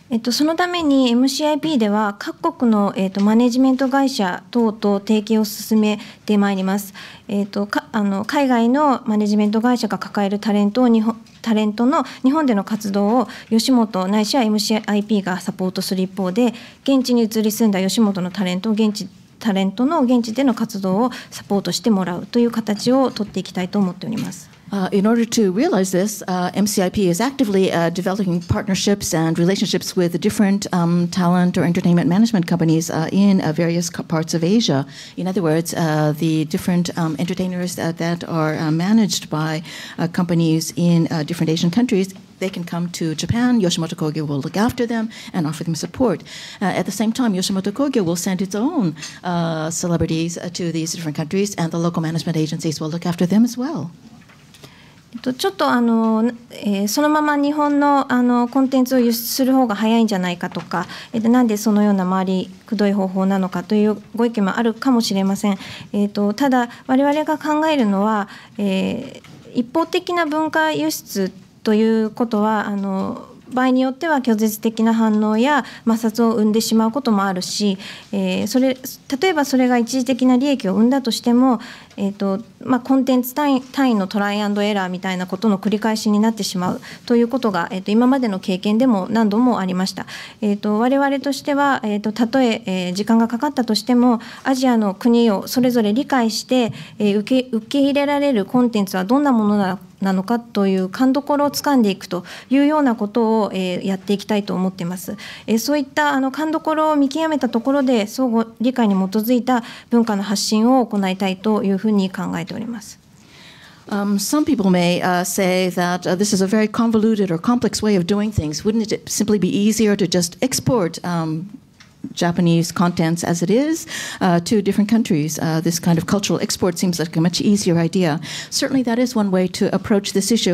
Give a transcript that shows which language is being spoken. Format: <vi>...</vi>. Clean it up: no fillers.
<ja>そのために MCIP では各国の、マネジメント会社等と提携を進めてまいります、海外のマネジメント会社が抱えるタレントの日本での活動を吉本ないしは MCIP がサポートする一方で現地に移り住んだ吉本のタレントの現地での活動をサポートしてもらうという形を取っていきたいと思っております。</ja> <en>In order to realize this, MCIP is actively developing partnerships and relationships with different talent or entertainment management companies in various parts of Asia. In other words, the different entertainers that are managed by companies in different Asian countries, they can come to Japan. Yoshimoto Kogyo will look after them and offer them support. At the same time, Yoshimoto Kogyo will send its own celebrities to these different countries, and the local management agencies will look after them as well.</en> <ja>ちょっとそのまま日本のコンテンツを輸出する方が早いんじゃないかとか、なんでそのような回りくどい方法なのかというご意見もあるかもしれません。ただ我々が考えるのは、一方的な文化輸出ということは場合によっては拒絶的な反応や摩擦を生んでしまうこともあるし、例えばそれが一時的な利益を生んだとしても、コンテンツ単位のトライアンドエラーみたいなことの繰り返しになってしまうということが、今までの経験でも何度もありました。我々としては、たとえ時間がかかったとしてもアジアの国をそれぞれ理解して、受け入れられるコンテンツはどんなものなのかなのかという勘どころをつかんでいくというようなことをやっていきたいと思っています。そういった勘どころを見極めたところで相互理解に基づいた文化の発信を行いたいというふうに考えております。</ja> <en>Some people may say that this is a very convoluted or complex way of doing things. Wouldn't it simply be easier to just export Japanese contents as it is to different countries. This kind of cultural export seems like a much easier idea. Certainly that is one way to approach this issue.</en>